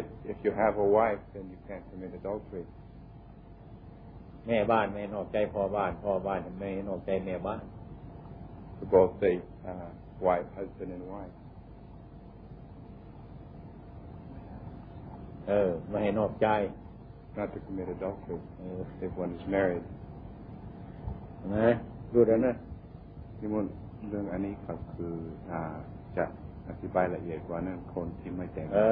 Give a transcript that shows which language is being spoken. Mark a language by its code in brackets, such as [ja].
[en] If you have a wife, then you can't commit adultery. [th] แม่บ้านไม่นอกใจพ่อบ้านไม่นอกใจแม่บ้าน [en] Both the wife, husband, and wife. [th] ไม่นอกใจ [en] Not to commit adultery if one is married. [th] นะดูด้วยนะ ที่มันเรื่องอันนี้ก็คือจะอธิบายละเอียดกว่านั้นคนที่ไม่แต่ง